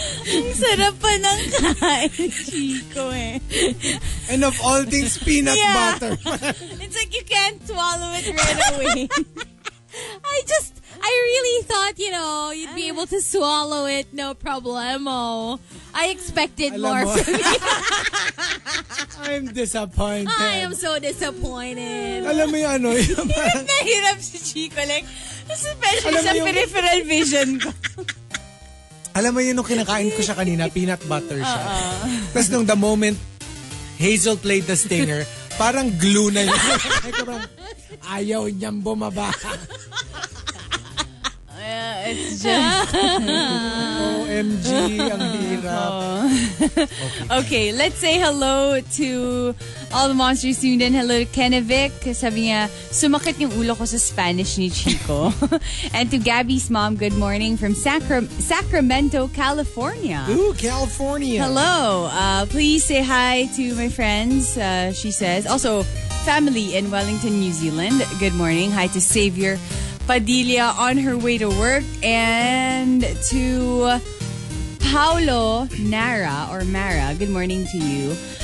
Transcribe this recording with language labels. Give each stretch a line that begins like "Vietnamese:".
Filipino: Ang sarap pa ng kain, Chico eh.
English: And of all things, peanut butter. It's like you can't swallow it right away. I really thought, you know, you'd be able to swallow it, no problemo. I expected more from you. I'm disappointed. I am so disappointed.
Filipino: Alam mo yung ano, yung parang... Hirap na hirap si Chico, like, especially sa peripheral vision ko. Alam mo yun, nung kinakain ko siya kanina, peanut butter siya. Tapos nung
English: the moment Hazel played the stinger,
Filipino: parang glue na yun. Parang, ayaw niyang bumaba.
English: It's just...
Filipino: OMG, ang hirap.
English: Okay, let's say hello to all the monsters tuned in. Hello to Kennevic.
Filipino: Sabi niya, sumakit yung ulo ko sa Spanish ni Chico.
English: And to Gabby's mom, good morning from Sacramento, California. Ooh, California. Hello. Please say hi to my friends, she says. Also, family in Wellington, New Zealand. Good morning. Hi to Xavier Padilla on her way to work, and to Paolo Nara or Mara, good morning to you.